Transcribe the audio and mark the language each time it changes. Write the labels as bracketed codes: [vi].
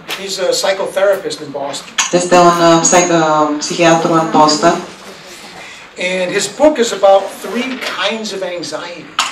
[en] He's a psychotherapist in Boston. [ro] Este un psihiatru în Boston. [en] And his book is about three kinds of anxiety.